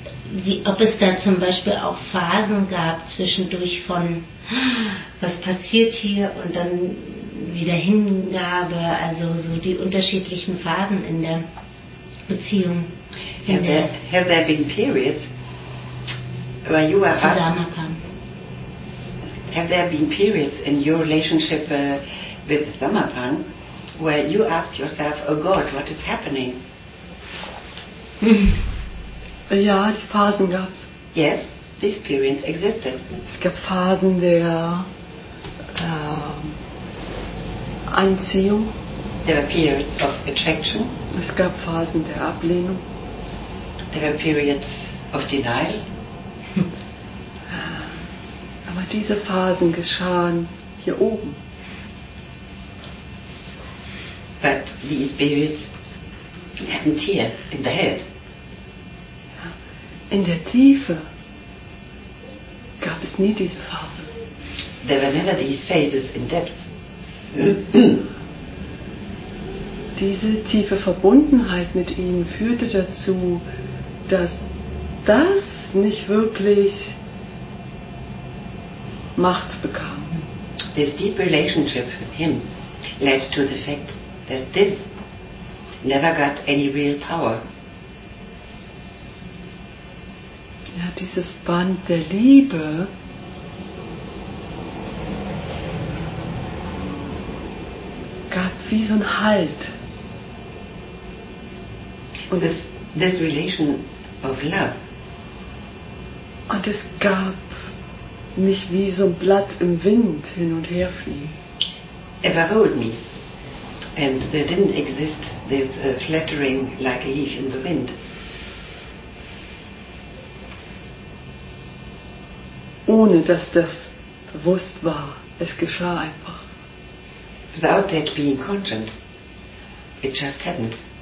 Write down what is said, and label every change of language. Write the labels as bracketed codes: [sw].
[de] wie, ob es da zum Beispiel auch Phasen gab zwischendurch von was passiert hier und dann wieder Hingabe, also so die unterschiedlichen Phasen in der Beziehung. [en] Have there been periods where you are asked? Have there been periods in your relationship with Dhammapada where you ask yourself, oh God, what is happening? [de] Ja, die Phasen gab's. [en] Yes, these periods existed. [de] Es gab Phasen der Anziehung. [en] There were periods of attraction. [de] Es gab Phasen der Ablehnung. [en] There were periods of denial. [de] Aber diese Phasen geschahen hier oben. [en] But these periods happened here, in the head. [de] In der Tiefe gab es nie diese Phase. [en] There were never these phases in depth. [de] Diese tiefe Verbundenheit mit ihm führte dazu, dass das nicht wirklich Macht bekam. [en] This deep relationship with him led to the fact that this never got any real power. [de] Ja, dieses Band der Liebe gab wie so einen Halt. Und [en] this relation of love. [de] Und es gab mich wie so ein Blatt im Wind hin und her fliegen. [en] Overhold me. And there didn't exist this fluttering like a leaf in the wind. [de] Ohne dass das bewusst war, es geschah einfach. [en] Without that being conscious, it just happened.